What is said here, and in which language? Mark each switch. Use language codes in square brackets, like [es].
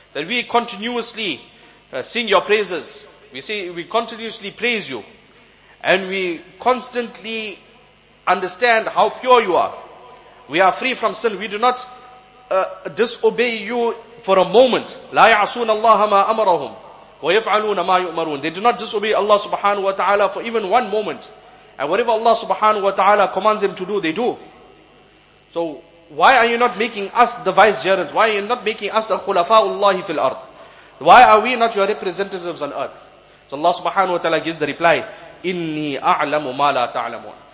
[en] That we continuously sing your praises. We continuously praise you. And we constantly understand how pure you are. We are free from sin. We do not disobey you for a moment. [ar] لا يعصون الله ما أمرهم ويفعلون ما يؤمرون. [en] They do not disobey Allah subhanahu wa ta'ala for even one moment. And whatever Allah subhanahu wa ta'ala commands them to do, they do. So why are you not making us the vicegerents? Why are you not making us the khulafa'ullah fil ard? Why are we not your representatives on earth? So Allah subhanahu wa ta'ala gives the reply, [ar] إِنِّي أَعْلَمُ مَا لَا تَعْلَمُونَ.